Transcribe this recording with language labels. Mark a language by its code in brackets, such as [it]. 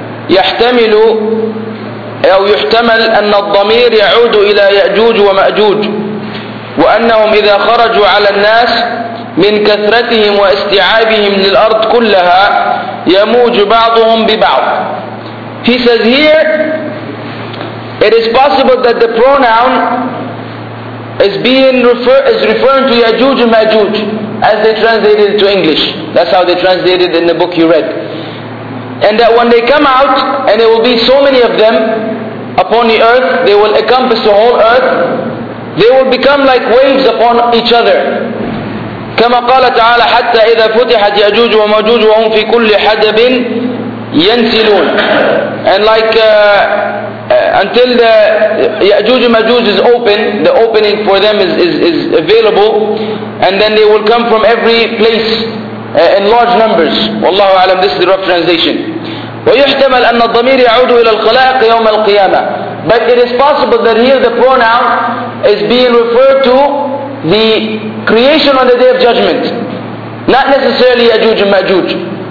[ar] يحتمل أو يحتمل أن الضمير يعود إلى يأجوج ومأجوج، وأنهم إذا خرجوا على الناس من كثرتهم واستيعابهم للأرض كلها يموج بعضهم ببعض. [en] He says here, it is possible that the pronoun is referring to Ya'juj and Ma'juj, as they translated it to English. That's how they translated it in the book you read. And that when they come out, and there will be so many of them upon the earth, they will encompass the whole earth, they will become like waves upon each other. [ar] كما قال تعالى حتى إذا فتحت يأجوج ومأجوج وهم في كل حدب ينسلون. [en] And like until the Ya'juj and Ma'juj is open, the opening for them is available, and then they will come from every place in large numbers. Wallahu a'lam, this is the rough translation. [ar] ويحتمل أن الضمير يعود إلى الخلائق يوم القيامة. [en] But it is possible that here the pronoun is being referred to the creation on the Day of Judgment, not necessarily Ya'juj and Ma'juj.